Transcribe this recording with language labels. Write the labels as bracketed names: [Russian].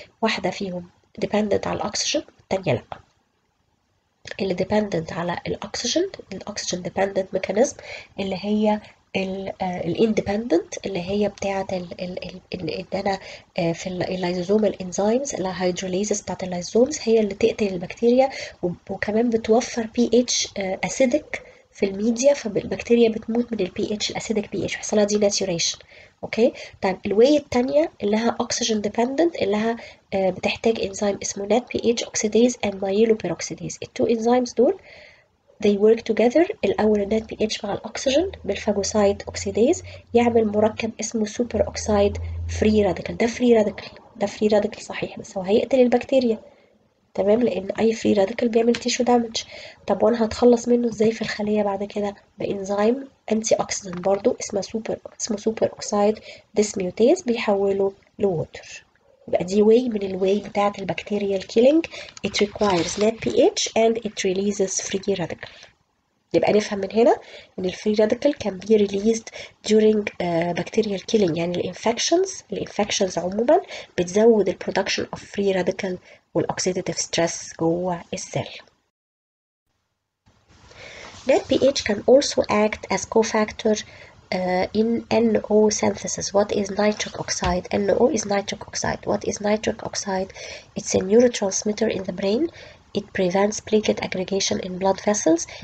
[Arabic] واحدة فيهم dependent على الأكسجين والتانية لأ. اللي dependent على الأكسجين، الأكسجين dependent mechanism اللي هي الاندبندنت اللي هي بتاعه ان انا في اللايزوزوم الانزيمز الهيدروليزس بتاعه اللايزوزومز هي اللي تقتل البكتيريا وكمان بتوفر بي اتش اسيدك في الميديا فالبكتيريا بتموت من البي اتش الاسيدك بي اتش حصلها دي ناتوريشن. اوكي طيب الواي الثانيه اللي هي اوكسجين ديبندنت اللي هي بتحتاج انزيم اسمه نات بي اتش اوكسيديز اند مايلو بيروكسيديز. التو انزيمز دول [English] they work together. [Arabic] الأول النات بي اتش مع الأكسجين بالفاجوسايت أوكسيديز يعمل مركب اسمه سوبر أوكسايد فري راديكال. ده فري راديكال، ده فري راديكال صحيح بس هو هيقتل البكتيريا تمام، لأن أي فري راديكال بيعمل تيشو دامج. طب وأنا هتخلص منه إزاي في الخلية بعد كده؟ بإنزيم أنتي أوكسيدنت برضه اسمه سوبر أوكسايد ديسميوتيز بيحوله لووتر. يبقى دي واي من الواي بتاعت البكتيريال كيلينج. [English] It requires net pH and it releases free radical. [Arabic] يبقى نفهم من هنا ان الفري [English] radical can be released during bacterial killing. [Arabic] يعني الانفكشنز عموما بتزود البرودكشن اوف فري radical والاكسيديتيف ستريس جوه السيل. [English] Net pH can also act as cofactor in NO synthesis. What is nitric oxide? NO is nitric oxide. What is nitric oxide? It's a neurotransmitter in the brain. It prevents platelet aggregation in blood vessels.